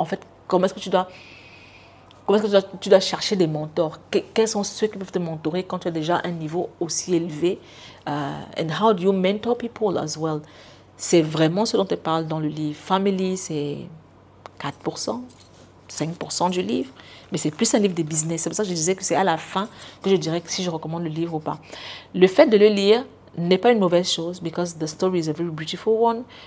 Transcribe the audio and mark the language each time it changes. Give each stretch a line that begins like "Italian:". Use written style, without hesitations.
French: En fait, comment est-ce que tu dois chercher des mentors? Quels sont ceux qui peuvent te mentorer quand tu as déjà un niveau aussi élevé?
English: And how do you mentor people as well?
French: C'est vraiment ce dont elle parle dans le livre. Family, c'est 4%, 5% du livre, mais c'est plus un livre de business. C'est pour ça que je disais que c'est à la fin que je dirais que si je recommande le livre ou pas. Le fait de le lire n'est pas une mauvaise chose,
English: because the story is a very beautiful one.